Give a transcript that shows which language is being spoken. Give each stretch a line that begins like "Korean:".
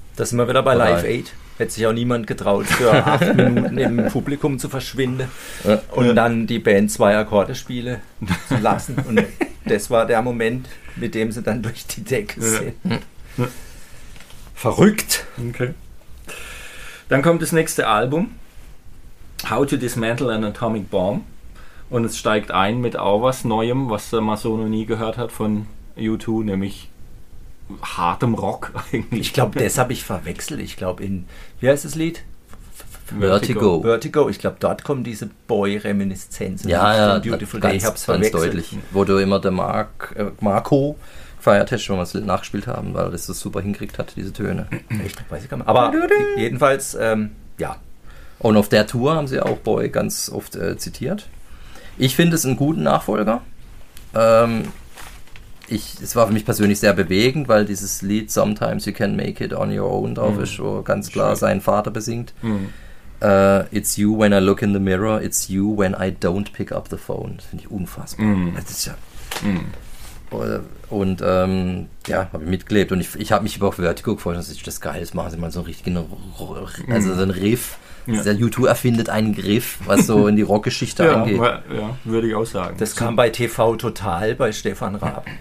German: das sind wir wieder bei Live Aid. Hätte sich auch niemand getraut, für 8 Minuten im Publikum zu verschwinden und dann die Band 2 Akkorde spielen zu lassen. Und das war der Moment, mit dem sie dann durch die Decke sind. Verrückt. Okay. Dann kommt das nächste Album. How to Dismantle an Atomic Bomb. Und es steigt ein mit auch was Neuem, was man so noch nie gehört hat von U2, nämlich hartem Rock eigentlich. Ich glaube, das habe ich verwechselt. Ich glaube in, wie heißt das Lied? Vertigo. Vertigo. Ich glaube, dort kommen diese Boy-Reminiszenzen. Ja, ja, Beautiful Day. Ich habe es verwechselt. Ganz deutlich. Wo du immer der Marco gefeiert hast, wenn wir es nachgespielt haben, weil das das super hingekriegt hat, diese Töne. Echt? Weiß ich gar nicht. Aber jedenfalls, ja. Und auf der Tour haben sie auch Boy ganz oft zitiert. Ich finde es einen guten Nachfolger. Es war für mich persönlich sehr bewegend, weil dieses Lied Sometimes You Can Make It On Your Own drauf ist, wo ganz klar seinen Vater besingt.
English: It's you when I look in the mirror, it's you when I don't pick up the phone.
German: Das finde ich unfassbar. Das ist ja Und ja, habe ich mitgelebt. Und ich habe mich über Vertigo gefreut, dass ich das geil ist. Machen sie mal so einen richtigen, also so einen Riff. Ja. Der U2 erfindet einen Griff, was so in die Rockgeschichte angeht. Ja, würde ich auch sagen. Das kam bei TV Total bei Stefan Raab.